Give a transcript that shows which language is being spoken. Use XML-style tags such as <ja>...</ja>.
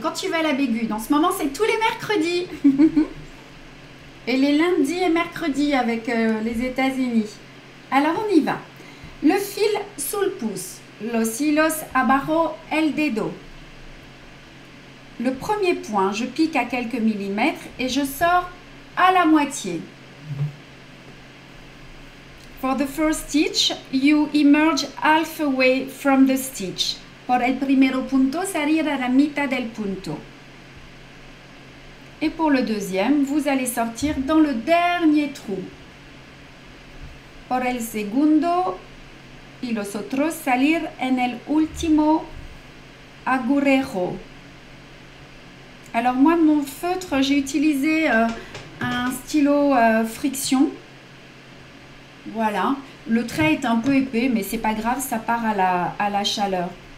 <fr>Quand tu vas à la Bégude, en ce moment c'est tous les mercredis. Et les lundis et mercredis avec les États-Unis. Alors, on y va. Le fil sous le pouce.</fr> <es>Los hilos abajo el dedo.</es> <fr>Le premier point, je pique à quelques millimètres et je sors à la moitié.</fr> <en>For the first stitch, you emerge halfway from the stitch.</en> <es>Por el primero punto, salir a la mitad del punto.</es> <fr>Et pour le deuxième, vous allez sortir dans le dernier trou.</fr> <es>Por el segundo y los otros salir en el último agujero.</es> <fr>Alors moi, mon feutre, j'ai utilisé un stylo friction. Voilà, le trait est un peu épais, mais c'est pas grave, ça part à la chaleur.</fr>